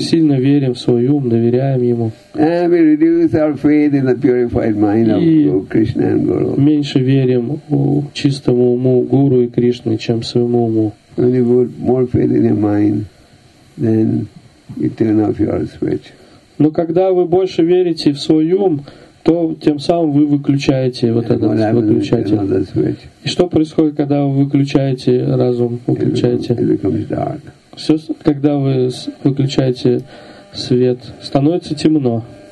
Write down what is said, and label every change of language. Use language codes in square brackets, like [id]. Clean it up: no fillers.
[ru] Сильно верим в свой ум, доверяем ему. И меньше верим в чистому уму Гуру и Кришны, чем своему уму. [en] When you put more faith in your mind, then you turn off your switch. [ru] Но когда вы больше верите в свой ум, то тем самым вы выключаете вот этот выключатель. И что происходит, когда вы выключаете разум, выключаете? Все, когда вы выключаете свет, становится темно.